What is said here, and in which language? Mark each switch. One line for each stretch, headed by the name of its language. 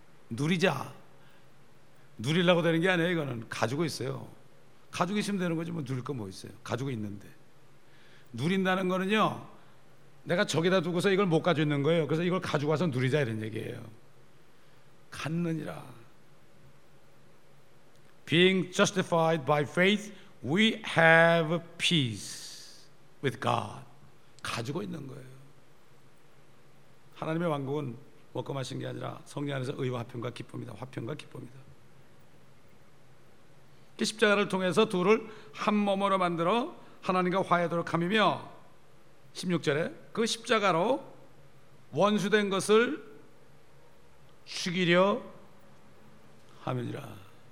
Korean: 누리자, 누리려고 되는 게 아니에요. 이거는 가지고 있어요. 가지고 있으면 되는 거지 뭐 누릴 거 뭐 있어요. 가지고 있는데 누린다는 거는요, 내가 저기다 두고서 이걸 못 가지고 있는 거예요. 그래서 이걸 가지고 와서 누리자 이런 얘기예요. 갖느니라.
English: Being justified by faith, we have peace with God.
Korean: 가지고 있는 거예요. 하나님의 왕국은 먹고 마신 게 아니라 성령 안에서 의와 화평과 기쁨이다. 화평과 기쁨이다. 그 십자가를 통해서 둘을 한 몸으로 만들어 하나님과 화해하도록 함이며, 16절에 그 십자가로 원수된 것을 죽이려 함이니라.